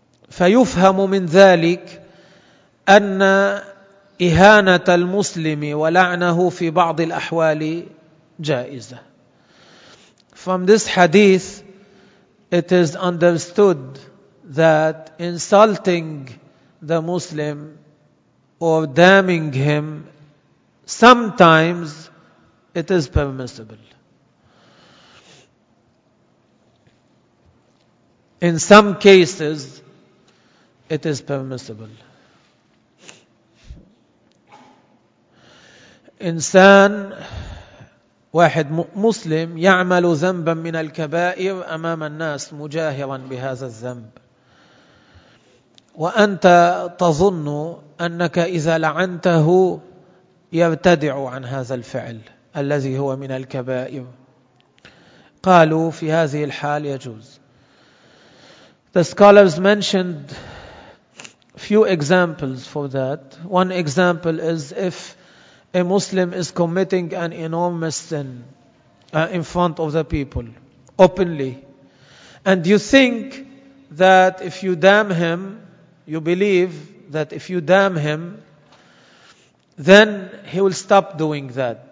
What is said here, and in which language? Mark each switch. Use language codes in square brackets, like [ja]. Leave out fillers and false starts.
[ar] فيفهم من ذلك أن إهانة المسلم ولعنه في بعض الأحوال جائزة. [en] From this hadith, it is understood that insulting the Muslim or damning him, sometimes it is permissible. In some cases, it is permissible. [ar] إنسان واحد مسلم يعمل ذنبا من الكبائر أمام الناس مجاهرا بهذا الذنب, وأنت تظن أنك إذا لعنته يرتدع عن هذا الفعل الذي هو من الكبائر, قالوا في هذه الحال يجوز. [en] The scholars mentioned few examples for that. One example is if a Muslim is committing an enormous sin in front of the people openly, and you think that if you damn him, you believe that if you damn him, then he will stop doing that.